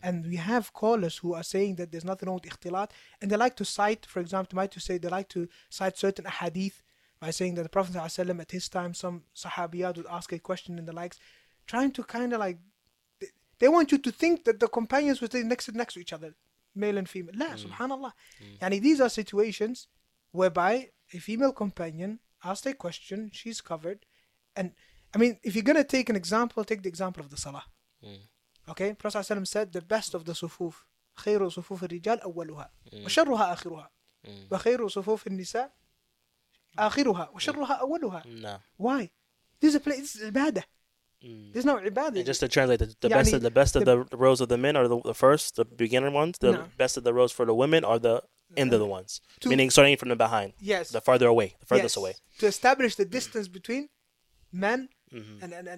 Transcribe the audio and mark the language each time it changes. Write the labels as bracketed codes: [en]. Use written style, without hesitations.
[en] And we have callers who are saying that there's nothing wrong with ikhtilat. And they like to cite, for example, they like to cite certain ahadith by saying that the Prophet ﷺ at his time, some sahabiyat would ask a question and the likes, trying to kind of like, they want you to think that the companions were sitting next to each other, male and female. La, mm-hmm. subhanAllah. Mm-hmm. And these are situations whereby a female companion asked a question, she's covered. And I mean, if you're going to take an example, take the example of the salah. Mm-hmm. Okay, Prophet ﷺ said the best of the sufuf, [ar] خير صفوف الرجال أولها وشرها آخرها وخير صفوف النساء آخرها وشرها أولها. [en] No. Why? This is a place. This is ibadah. This is not ibadah. And just to translate, the best of the rows of the men are the first, the beginner ones. The best of the rows for the women are the end of the ones. Meaning starting from the behind. Yes. The farther away, the furthest away. To establish the distance between men. Mm-hmm.